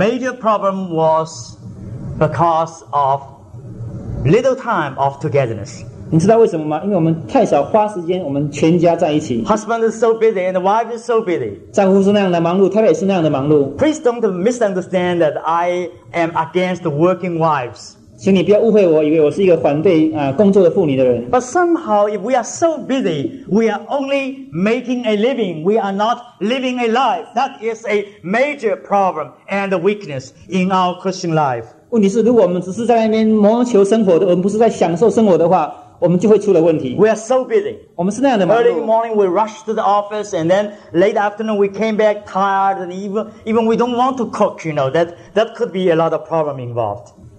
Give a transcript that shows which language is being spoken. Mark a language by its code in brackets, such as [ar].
[en] The major problem was because of little time of togetherness. [zh] 你知道为什么吗? 因为我们太少花时间，我们全家在一起。 [en] Husband is so busy and the wife is so busy. [zh] 丈夫是那样的忙碌，太太也是那样的忙碌。 [en] Please don't misunderstand that I am against working wives. [zh] 请你不要误会我，以为我是一个反对工作的妇女的人。 [en] But somehow, if we are so busy, we are only making a living. We are not living a life. That is a major problem and a weakness in our Christian life. [zh] 问题是，如果我们只是在那边谋求生活的，而不是在享受生活的话，我们就会出了问题。 [en] We are so busy. [zh] 我们是那样的忙碌。 [en] Early in the morning, we rush to the office, and then late afternoon, we came back tired, and even we don't want to cook. You know that could be a lot of problem involved.